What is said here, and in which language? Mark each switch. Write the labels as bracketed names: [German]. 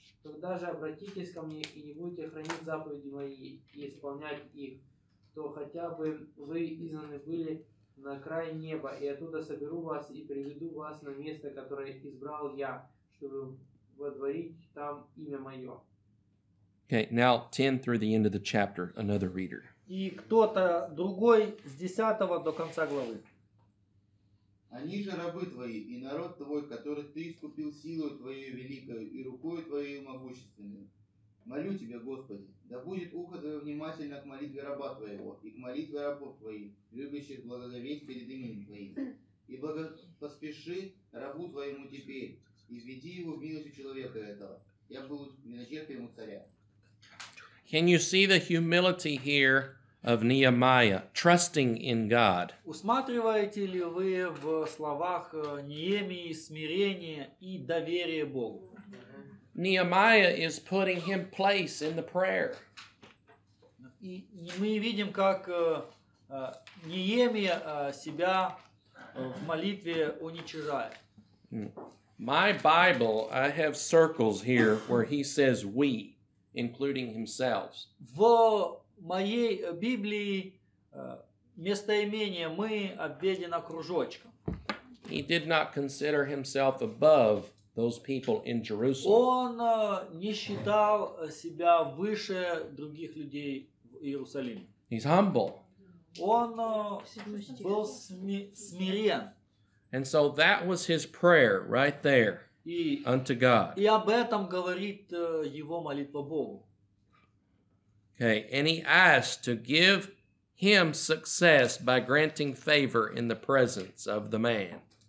[Russian] Тогда же обратитесь ко мне и не будете хранить заповеди мои и исполнять их, то хотя бы вы изгнаны были на край неба, и оттуда соберу вас и приведу вас на место, которое избрал я, чтобы водворить там имя мое. [English] Okay, now 10 through the end of the chapter, another reader. [Russian] И кто-то другой с 10 до конца главы. Они же рабы твои и народ твой, который ты искупил силой твоей великой и рукой твоей могущественной. Молю тебя, Господи, да будет ухо твое внимательно к молитве раба твоего и к молитве рабов твоих, любящих благоговеть перед именем твоим. И поспеши рабу твоему теперь, изведи его в милость у человека этого. Я буду миночерпием у царя. [English] Can you see the humility here of Nehemiah, trusting in God? [Russian] Усматриваете ли вы в словах Неемии смирение и доверие Богу? [English] Nehemiah is putting him place in the prayer. [Russian] И мы видим, как Неемия себя в молитве уничижает. [English] My Bible, I have circles here where he says we, including himself. [Russian] В моей Библии местоимение «мы» обведено кружочком. [English] He did not consider himself above those people in Jerusalem. [Russian] Он не считал себя выше других людей в Иерусалиме. [English] He's humble. [Russian] Он был смирен. [English] And so that was his prayer right there unto God. [Russian] И об этом говорит его молитва Богу. [English] Okay, and he asked to give him success by granting favor in the presence of the man.